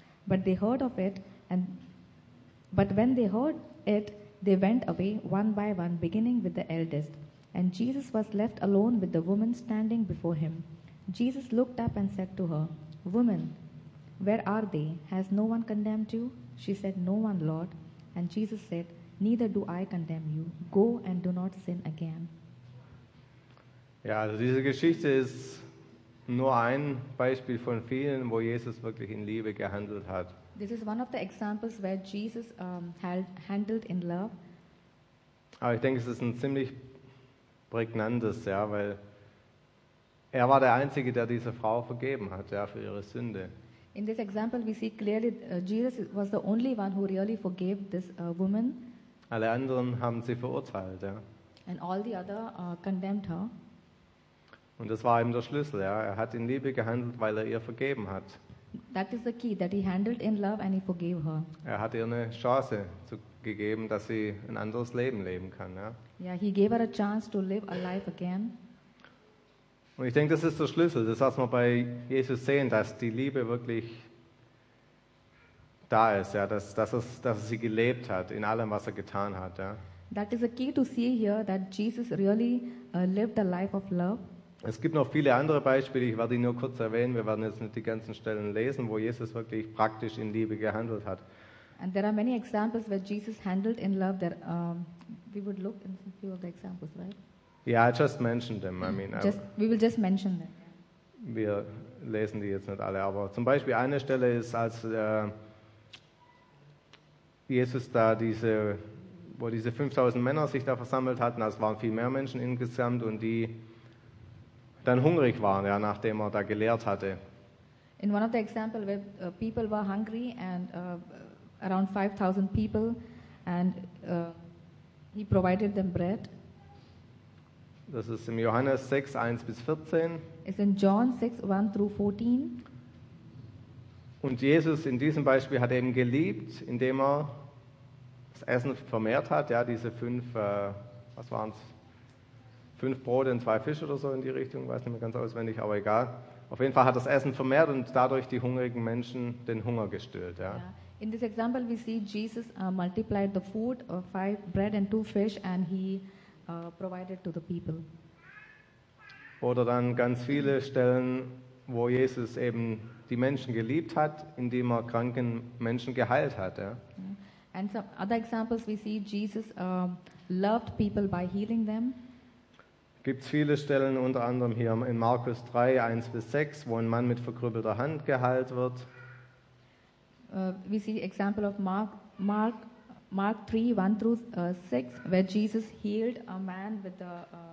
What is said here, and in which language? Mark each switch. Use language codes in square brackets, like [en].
[en] But when they heard it, they went away one by one, beginning with the eldest. And Jesus was left alone with the woman standing before him. Jesus looked up and said to her, "Woman, where are they? Has no one condemned you?" She said, "No one, Lord." And Jesus said, "Neither do I condemn you. Go and do not sin again." [de] Ja, also diese Geschichte ist nur ein Beispiel von vielen, wo Jesus wirklich in Liebe gehandelt hat. [en] This is one of the examples where Jesus handled in love. [de] Aber ich denke, es ist ein ziemlich prägnantes, ja, weil er war der Einzige, der diese Frau vergeben hat, ja, für ihre Sünde. [en] In this example we see clearly Jesus was the only one who really forgave this woman. [de] Alle anderen haben sie verurteilt, ja. [en] And all the other condemned her. [de] Und das war eben der Schlüssel, ja. Er hat in Liebe gehandelt, weil er ihr vergeben hat. [en] That is the key, that he handled in love and he forgave her. [de] Er hat ihr eine Chance gegeben, dass sie ein anderes Leben leben kann, ja. [en] Yeah, he gave her a chance to live a life again. [de] Und ich denke, das ist der Schlüssel, das was wir bei Jesus sehen, dass die Liebe wirklich da ist, ja, dass er sie gelebt hat in allem, was er getan hat, ja. [en] That is a key to see here that Jesus really lived a life of love. [de] Es gibt noch viele andere Beispiele, ich werde die nur kurz erwähnen, wir werden jetzt nicht die ganzen Stellen lesen, wo Jesus wirklich praktisch in Liebe gehandelt hat. [en] And there are many examples where Jesus handled in love that we would look in a few of the examples, right? Yeah, I just mentioned them. I mean, we will just mention them. [de] Wir lesen die jetzt nicht alle, aber zum Beispiel eine Stelle ist, als Jesus da diese, wo diese 5000 Männer sich da versammelt hatten, es waren viel mehr Menschen insgesamt und die dann hungrig waren, ja, nachdem er da gelehrt hatte. [en] In one of the examples where people were hungry and around 5000 people and he provided them bread. [de] Das ist im Johannes 6, 1 bis 14. [en] It's in John 6, 1 through 14. [de] Und Jesus in diesem Beispiel hat eben geliebt, indem er das Essen vermehrt hat, ja, diese fünf Brote und zwei Fische oder so in die Richtung, weiß nicht mehr ganz auswendig, aber egal. Auf jeden Fall hat das Essen vermehrt und dadurch die hungrigen Menschen den Hunger gestillt, ja. [en] In this example we see Jesus multiplied the food, five bread and two fish, and he provided to the people. [de] Oder dann ganz viele Stellen, wo Jesus eben die Menschen geliebt hat, indem er kranken Menschen geheilt hat, ja. [en] And some other examples we see Jesus loved people by healing them. [de] Gibt es viele Stellen, unter anderem hier in Markus 3, 1 bis 6, wo ein Mann mit verkrüppelter Hand geheilt wird. [en] We see example of Mark 3, 1 through 6, where Jesus healed a man with a